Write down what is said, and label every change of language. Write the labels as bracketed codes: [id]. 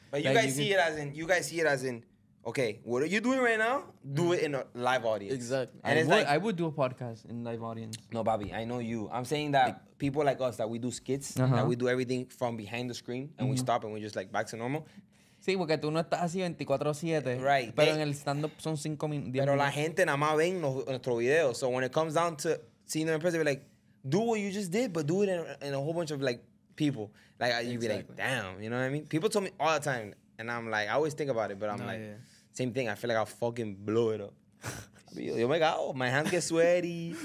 [en] But you guys see it as in, okay, what are you doing right now? Do it in a live audience. Exactly. And I would do a podcast in live audience. No, Bobby, I know you. I'm saying that people like us, that we do skits, uh-huh. that we do everything from behind the screen, and we stop and we're just like back to normal. [es] Sí, porque tú no estás así 24/7. Right. Pero en el stand-up son 5 minutos. Pero la gente nada más ven nuestro video. [en] So when it comes down to seeing them in person, be like, do what you just did, but do it in a whole bunch of like people. Like, you'd exactly. be like, damn, you know what I mean? People told me all the time, and I'm like, I always think about it, but I'm same thing. I feel like I'll fucking blow it up. [es] Yo me cago. [en] My hands get sweaty.